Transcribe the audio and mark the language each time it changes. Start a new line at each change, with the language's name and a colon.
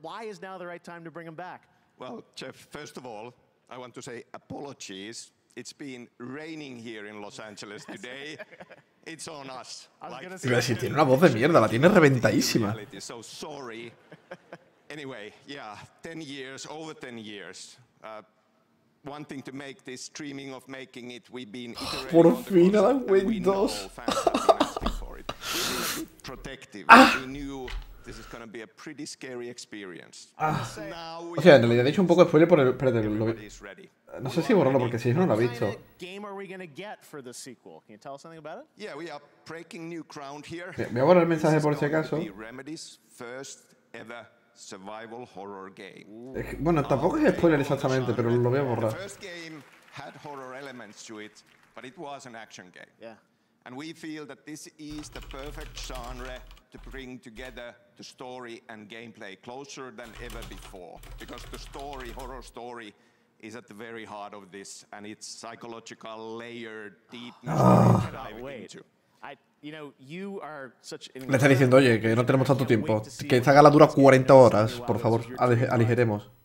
English: Why is now the right time to bring him back? Well, Jeff, first of all, I want to say apologies. It's been raining here in Los Angeles today. It's on us.
Spanish: Tiene una voz de mierda, la tiene reventadísima.
English: So sorry. Anyway, yeah, 10 years, over 10 years. Wanting to make this, dreaming of making it, we've been iterating on the course.
Spanish: Por fin,
English: protective. We knew this is going to be a pretty scary experience.
Spanish: O sea, en realidad he hecho un poco de spoiler por el... Espérate, lo... No sé si borrarlo porque si no lo ha visto.
English: Game are we going to get for the sequel? Can you tell us something about it? Yeah, we are breaking new ground here.
Spanish: Me voy a borrar el mensaje por si acaso.
English: Remedy's first ever survival horror game.
Spanish: Es que, bueno, tampoco es spoiler exactamente, pero lo voy a borrar.
English: The first game had horror elements to it, but it was an action game. Yeah. And we feel that this is the perfect genre to bring together the story and gameplay closer than ever before, because the story, horror story, is at the very heart of this, and it's psychological layer deepness. Oh, wait. You know, you are such an...
Spanish: Le está diciendo, oye, que no tenemos tanto tiempo. Que esta gala dura 40 horas, por favor, aligeremos.